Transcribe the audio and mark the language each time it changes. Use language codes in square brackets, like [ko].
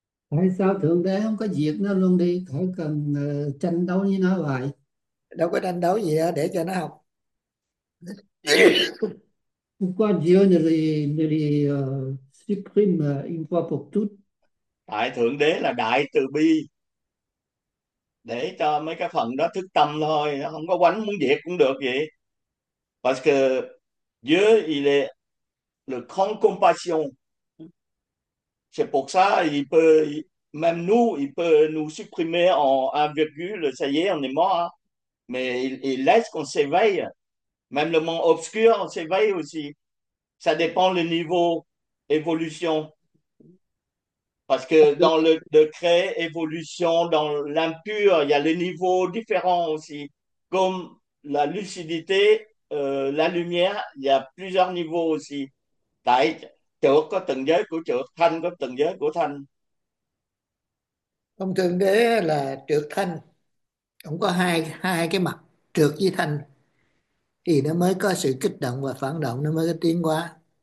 [vi] Tại sao thượng đế không có diệt nó luôn đi, khỏi cần tranh đấu với nó vậy? Đâu có tranh đấu gì đó, để cho nó học. [fr] Pourquoi Dieu ne les supprime une fois pour toutes? [vi] Tại Thượng Đế là đại từ bi, để cho mấy cái phần đó thức tâm thôi, nó không có quánh muốn diệt cũng được vậy. [fr] Parce que Dieu il est le grand compassion. C'est pour ça il peut, même nous, il peut nous supprimer en 1, ça y est, on est mort. Mais il laisse qu'on s'éveille. Même le monde obscur, on s'éveille aussi. Ça dépend du niveau évolution. Parce que dans le degré évolution, dans l'impur, il y a les niveaux différents aussi. Comme la lucidité, la lumière, il y a plusieurs niveaux aussi. [vi] Tại trược có từng giới của trược, thanh có từng giới của thanh. Ông thượng đế là trược thanh, cũng có hai cái mặt, trược với thanh, thì nó mới có sự kích động và phản động, nó mới có tiến hóa.